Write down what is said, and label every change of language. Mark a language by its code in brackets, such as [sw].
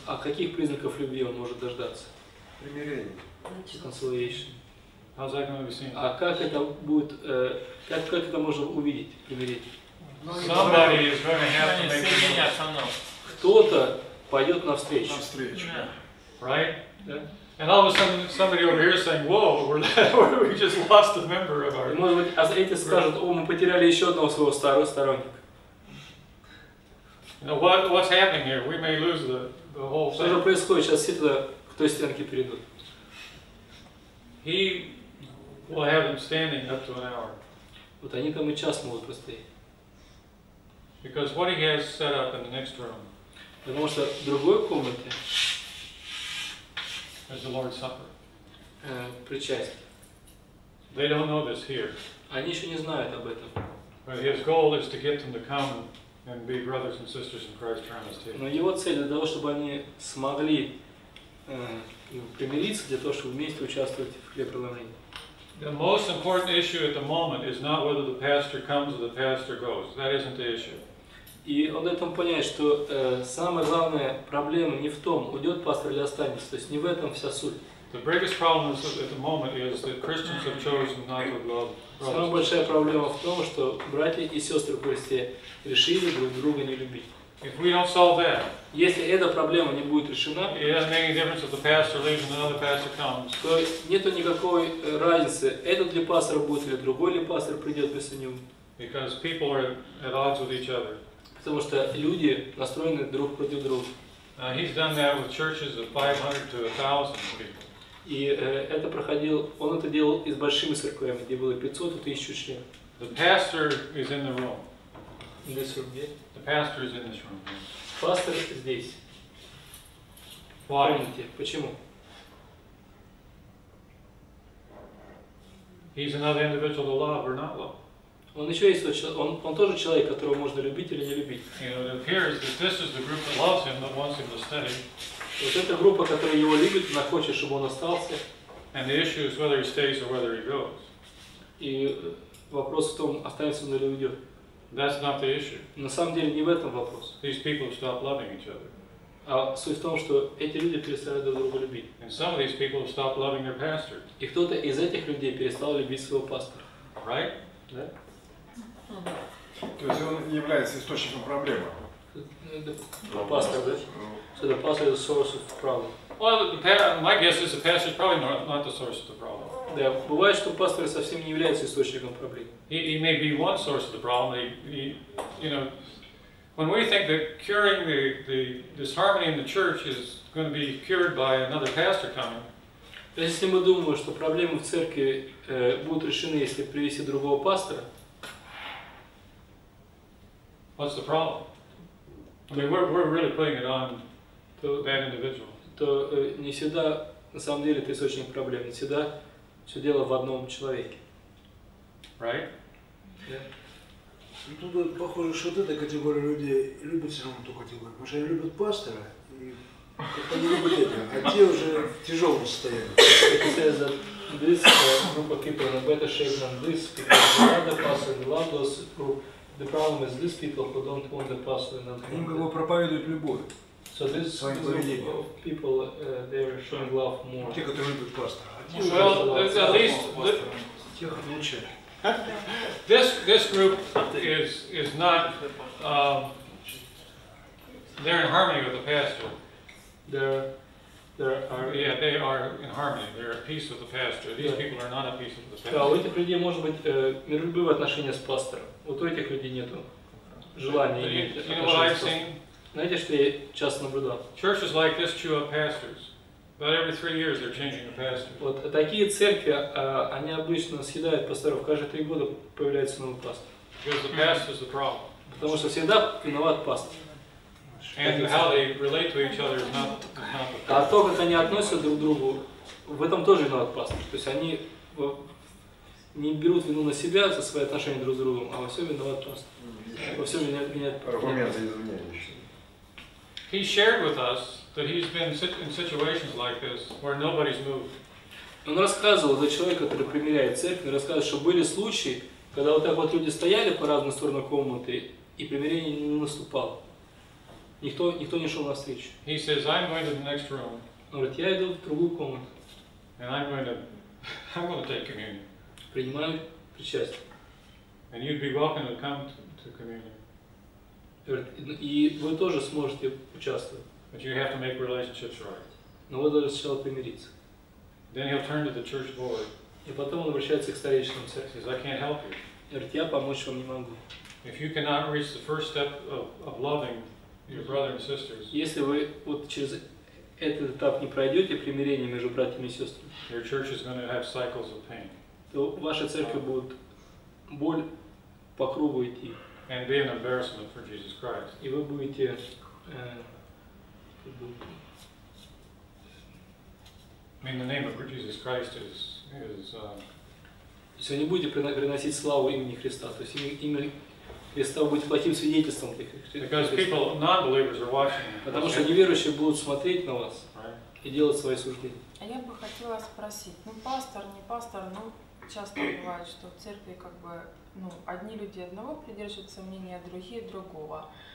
[ru] А каких признаков любви он может дождаться? Примирение. [en] Consolation. How's that going to be seen? [ru] А как это будет, как это можно увидеть, примирить? [en] Somebody is going to have to make a decision. [ru] Кто-то пойдет навстречу. Навстречу. [en] Right? Yeah. And all of a sudden, somebody over here is saying, "Whoa, we just lost a member of our." [ru] Может быть, а эти скажут: "О, мы потеряли еще одного своего старого сторонника." [en] Now what's happening here? We may lose the whole thing. [ru] Что же происходит сейчас? Все туда к той стенке перейдут. [en] He will have them standing up to an hour. [ru] Вот они там и час могут простоять. [en] Because what he has set up in the next room. [ru] Потому что в другой комнате. [en] Is the Lord's Supper. [ru] Причастие. [en] They don't know this here. [ru] Они еще не знают об этом. [en] But his goal is to get them to come and be brothers and sisters in Christ around us too. [ru] Но его цель для того, чтобы они смогли примириться для того, чтобы вместе участвовать в хлебопреломлении. [en] The most important issue at the moment is not whether the pastor comes or the pastor goes. That isn't the issue. [ru] И он этом понимает, что самая главная проблема не в том, уйдет пастор или останется, то есть не в этом вся суть. [en] The biggest problem at the moment is that Christians have chosen not to love. [ru] Самая большая проблема в том, что братья и сестры в Христе решили друг друга не любить. [en] If we don't solve that, [ru] если эта проблема не будет решена, [en] it doesn't make any difference if the pastor leaves and another pastor comes. [ru] То нету никакой разницы, этот ли пастор будет или другой ли пастор придет без него. [en] Because people are at odds with each other. [ru] Потому что люди настроены друг против друга. [en] He's done that with churches of 500 to 1,000 people. [ru] И это проходил, он это делал и с большими церквями, где было 500 и 1000 членов. [en] The pastor is in the room. In this room, yeah. The pastor is in this room. [ru] Пастор здесь. [en] Why? [ru] Помните, почему? [en] He's another individual to love or not love. [ru] Он еще есть тот человек, он тоже человек, которого можно любить или не любить. [en] You know, it appears that this is the group that loves him, that wants him to stay. [ru] Вот эта группа, которая его любит, она хочет, чтобы он остался. [en] And the issue is whether he stays or whether he goes. [ru] И вопрос в том, останется он или уйдет. [en] That's not the issue. [ru] На самом деле не в этом вопрос. [en] These people have stopped loving each other. [ru] А суть в том, что эти люди перестали друг друга любить. [en] And some of these people have stopped loving their pastor. [ru] И кто-то из этих людей перестал любить своего пастора. [en] Right? [ru] Да. То есть он является источником проблемы. Пастор, да? [en] So the pastor is the source of the problem. Well, my guess is the pastor is probably not the source of the problem. [ru] Да, бывает, что пастор совсем не является источником проблем. [en] He may be one source of the problem. He, you know, when we think that curing the disharmony in the church is going to be cured by another pastor coming. [ru] Если мы думаем, что проблемы в церкви будут решены, если привести другого пастора. [en] What's the problem? I mean, we're really putting it on that individual. [ru] То не всегда, на самом деле, это источник проблем. Не всегда все дело в одном человеке. [en] Right? Yeah. [ru] Тут похоже, что вот эта категория людей любит все равно ту категорию. Потому что они любят пастора, и как-то не любят этого. А те уже в тяжелом состоянии. [en] It says that this group of people are in better shape than this people. They love the pastor, they love those group. The problem is these people who don't want the pastor and not want to [ru] проповедуют любовь. [en] So this group of people they are showing love more. [ru] Те, которые любят пастора. [en] Well, at least the this group is not they're in harmony with the pastor. They're they are in harmony. They're at peace with the pastor. These yeah. people are not at peace with the pastor. [ru] Да, у этих людей может быть миролюбивые отношения с пастором. Вот у этих людей нету желания иметь отношения с пастором. Знаете, что я часто наблюдал? [en] Churches like this chew up pastors. About every 3 years they're changing the pastor. [ru] Вот такие церкви, они обычно съедают пасторов. Каждые 3 года появляется новый пастор. [en] Because the pastor is the problem. [ru] Потому что всегда виноват пастор. [en] And how they relate to each other is not the problem. [ru] А то, как они относятся друг к другу, в этом тоже виноват пастор. То есть они не берут вину на себя за свои отношения друг с другом, а во всем виноват пастор. Во всем виноват пастор. Аргументы извиняющие. [en] He shared with us that he's been in situations like this where nobody's moved. [ru] Он рассказывал, за человек, который примиряет церковь, рассказывал, что были случаи, когда вот так вот люди стояли по разным сторонам комнаты, и примирение не наступало. Никто не шел навстречу. [en] He says, I'm going to the next room. [ru] Он говорит, я иду в другую комнату. [en] And I'm going to take communion. [ru] Принимаю причастие. [en] And you'd be welcome to come to communion. [ru] И вы тоже сможете участвовать. [en] But you have to make relationships right. [ru] Но вы должны сначала примириться. [en] Then he'll turn to the church board. [ru] И потом он обращается к старейшинам церкви. [en] He says, I can't help you. [ru] Говорит, я помочь вам не могу. [en] If you cannot reach the first step of loving your brother and sisters. [ru] Если вы вот через этот этап не пройдете примирение между братьями и сестрами. [en] Your church is going to have cycles of pain. [ru] То ваша церковь будет боль по кругу идти. [en] And be an embarrassment for Jesus Christ. [ru] И вы будете [en] I mean, the name of Jesus Christ is [ru] То есть вы не будете приносить славу имени Христа, то есть имя Христа будет плохим свидетельством для Христа. [en] Because people, non-believers are watching. [ru] Потому что неверующие будут смотреть на вас и делать свои суждения. А я бы хотела спросить, пастор, часто бывает, что в церкви как бы одни люди одного придерживаются мнения, другие другого.